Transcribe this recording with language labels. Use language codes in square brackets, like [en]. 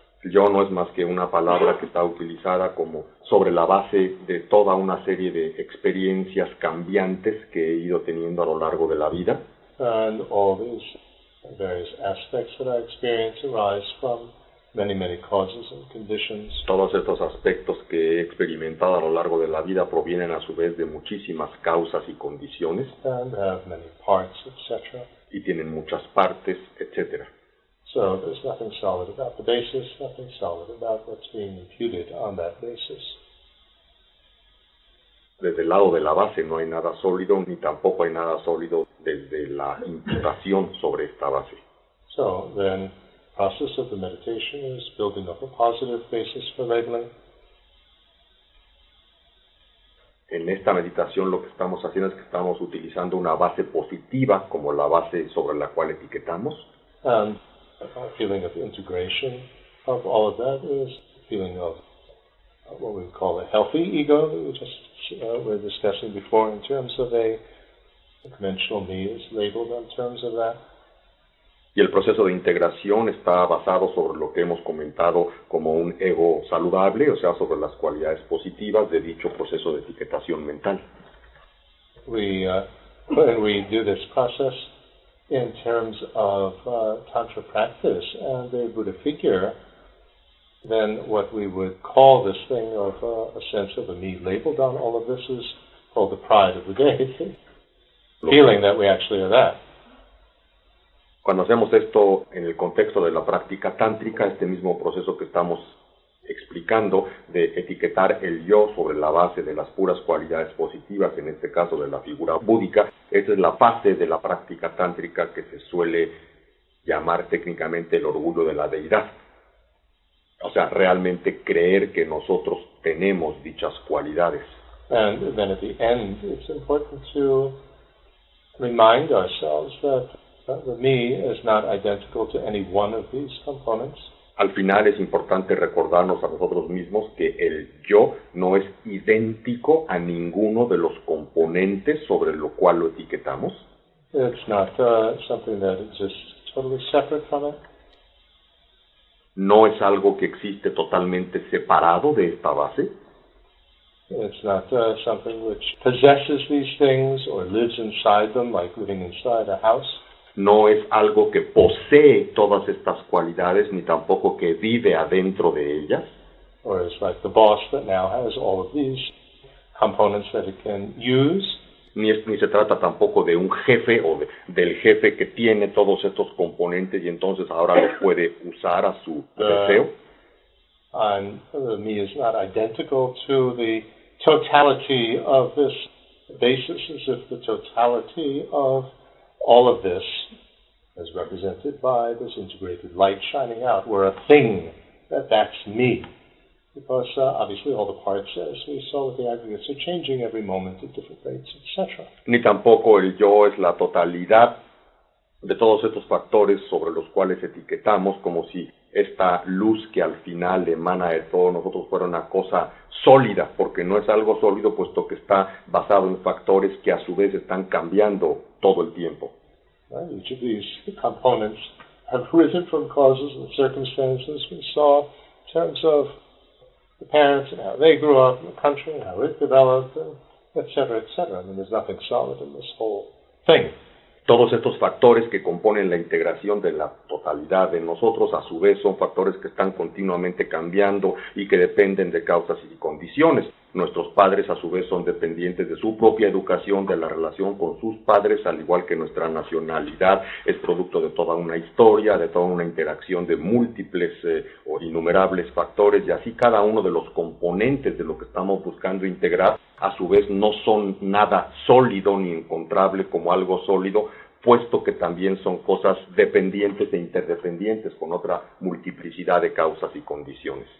[es] Yo no es más que una palabra que está utilizada como sobre la base de toda una serie de experiencias cambiantes que he ido teniendo a lo largo de la vida. [en] And all these various aspects that I experience arise from many, many causes and conditions. [es] Todos estos aspectos que he experimentado a lo largo de la vida provienen a su vez de muchísimas causas y condiciones. [en] And have many parts, etc. [es] Y tienen muchas partes, etc. [en] So there's nothing solid about the basis, nothing solid about what's being imputed on that basis. [es] Desde el lado de la base no hay nada sólido, ni tampoco hay nada sólido desde la imputación sobre esta base. [en] So then, the process of the meditation is building up a positive basis for labeling. [es] En esta meditación lo que estamos haciendo es que estamos utilizando una base positiva como la base sobre la cual etiquetamos. [en] And a feeling of integration of all of that is a feeling of what we call a healthy ego that we just were discussing before in terms of a conventional me is labeled in terms of that. [es] Y el proceso de integración está basado sobre lo que hemos comentado como un ego saludable, o sea, sobre las cualidades positivas de dicho proceso de etiquetación mental. [en] When we do this process, in terms of tantra practice and a Buddha figure than what we would call this thing of a sense of a me labeled on all of this is called the pride of the deity, feeling that we actually are that. [es] Cuando hacemos esto en el contexto de la práctica tántrica, este mismo proceso que estamos explicando de etiquetar el yo sobre la base de las puras cualidades positivas, en este caso de la figura búdica, esta es la fase de la práctica tántrica que se suele llamar técnicamente el orgullo de la deidad. O sea, realmente creer que nosotros tenemos dichas cualidades. [en] And then at the end, it's important to remind ourselves that the me is not identical to any one of these components. [es] Al final es importante recordarnos a nosotros mismos que el yo no es idéntico a ninguno de los componentes sobre lo cual lo etiquetamos. [en] It's not something that exists totally separate from it. [es] No es algo que existe totalmente separado de esta base. [en] It's not something which possesses these things or lives inside them like living inside a house. [es] No es algo que posee todas estas cualidades ni tampoco que vive adentro de ellas. [en] Or it's like the boss that now has all of these components that it can use. [es] Ni se trata tampoco de un jefe o del jefe que tiene todos estos componentes y entonces ahora los puede usar a su deseo. [en] And the me is not identical to the totality of this basis, as if the totality of all of this, as represented by this integrated light shining out, were a thing, that's me. Because obviously all the parts, as we saw with the aggregates, are changing every moment at different rates, etc. [es] Ni tampoco el yo es la totalidad de todos estos factores sobre los cuales etiquetamos, como si esta luz que al final emana de todos nosotros fuera una cosa sólida, porque no es algo sólido puesto que está basado en factores que a su vez están cambiando todo el tiempo. [en] Well, each of these components have risen from causes and circumstances we saw in terms of the parents and how they grew up in the country and how it developed, etc., etc. I mean, there's nothing solid in this whole thing. [es] Todos estos factores que componen la integración de la totalidad de nosotros, a su vez, son factores que están continuamente cambiando y que dependen de causas y condiciones. Nuestros padres, a su vez, son dependientes de su propia educación, de la relación con sus padres, al igual que nuestra nacionalidad es producto de toda una historia, de toda una interacción de múltiples o innumerables factores, y así cada uno de los componentes de lo que estamos buscando integrar, a su vez, no son nada sólido ni encontrable como algo sólido, puesto que también son cosas dependientes e interdependientes con otra multiplicidad de causas y condiciones.